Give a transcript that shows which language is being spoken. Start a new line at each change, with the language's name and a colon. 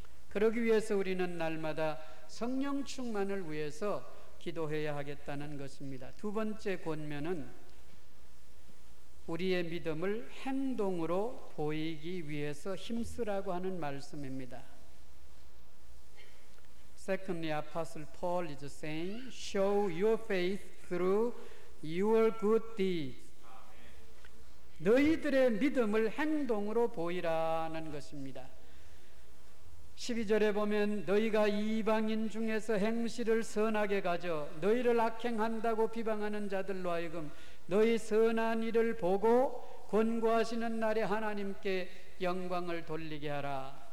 Korean: 그러기 위해서 우리는 날마다 성령 충만을 위해서 기도해야 하겠다는 것입니다. 두 번째 권면은 우리의 믿음을 행동으로 보이기 위해서 힘쓰라고 하는 말씀입니다.
English: Secondly, Apostle Paul is saying, show your faith through your good deeds.
Korean: 너희들의 믿음을 행동으로 보이라는 것입니다. 12절에 보면 너희가 이방인 중에서 행실을 선하게 가져 너희를 악행한다고 비방하는 자들로 하여금 너희 선한 일을 보고 권고하시는 날에 하나님께 영광을 돌리게 하라.